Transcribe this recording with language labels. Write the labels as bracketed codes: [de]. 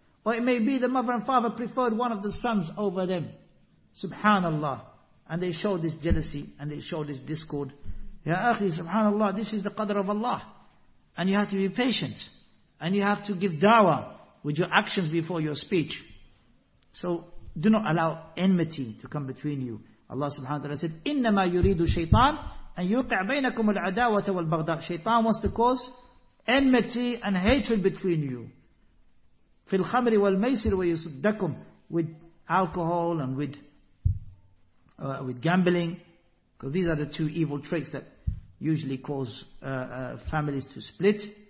[en] Or it may be the mother and father preferred one of the sons over them. SubhanAllah. And they showed this jealousy and they showed this discord. Ya akhi, subhanAllah, this is the qadr of Allah. And you have to be patient. And you have to give dawah with your actions before your speech. So do not allow enmity to come between you. Allah subhanahu wa ta'ala said, [ar] إِنَّمَا يُرِيدُ شَيْطَانَ أَن يُوقِعْ بَيْنَكُمُ الْعَدَاوَةَ وَالْبَغْضَاءَ. [en] Shaitan wants to cause enmity and hatred between you. [ar] فِي الْخَمْرِ وَالْمَيْسِرِ وَيُصُدَّكُمْ. [en] With alcohol and with gambling. Because these are the two evil traits that usually cause families to split.